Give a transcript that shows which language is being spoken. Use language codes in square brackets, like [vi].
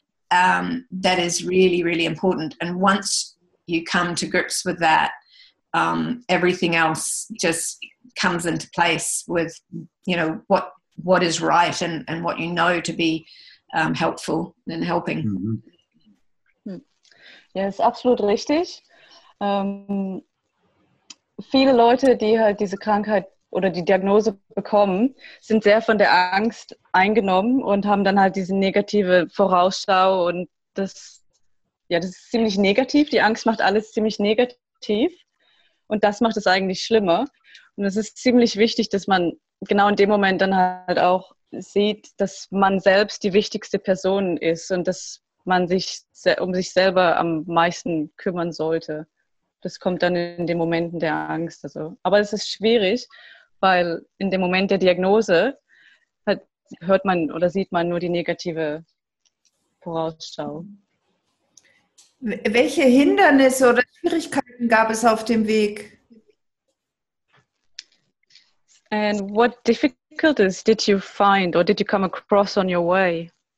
[en] That is really, really important. And once you come to grips with that, everything else just comes into place with, you know, what is right and what you know to be helpful and helping. [de] Mm-hmm. Ja, ist absolut richtig. Viele Leute, die halt diese Krankheit oder die Diagnose bekommen, sind sehr von der Angst eingenommen und haben dann halt diese negative Vorausschau und das. Ja, das ist ziemlich negativ. Die Angst macht alles ziemlich negativ. Und das macht es eigentlich schlimmer. Und es ist ziemlich wichtig, dass man genau in dem Moment dann halt auch sieht, dass man selbst die wichtigste Person ist und dass man sich um sich selber am meisten kümmern sollte. Das kommt dann in den Momenten der Angst. Also. Aber es ist schwierig, weil in dem Moment der Diagnose halt hört man oder sieht man nur die negative Vorausschau. Welche Hindernisse oder Schwierigkeiten gab es auf dem Weg? [en] And what difficulties did you find or did you come across on your way?